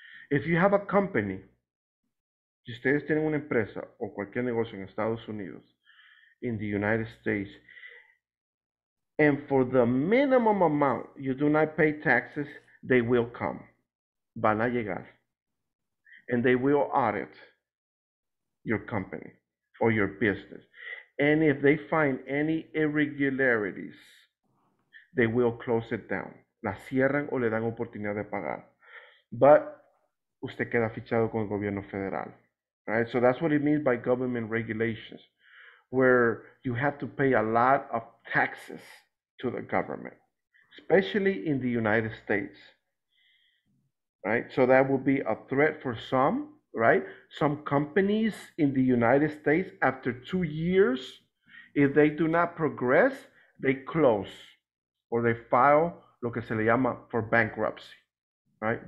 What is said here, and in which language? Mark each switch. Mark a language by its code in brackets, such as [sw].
[en] If you have a company, [es] si ustedes tienen una empresa o cualquier negocio en Estados Unidos, [en] in the United States, and for the minimum amount you do not pay taxes, they will come. [es] Van a llegar. [en] And they will audit your company or your business. And if they find any irregularities, they will close it down. [es] La cierran o le dan oportunidad de pagar. But usted queda fichado con el gobierno federal. Right? [en] So that's what it means by government regulations, where you have to pay a lot of taxes to the government, especially in the United States. Right? So that would be a threat for some. Right? Some companies in the United States, after 2 years, if they do not progress, they close or they file [es] lo que se le llama [en] for bankruptcy, right?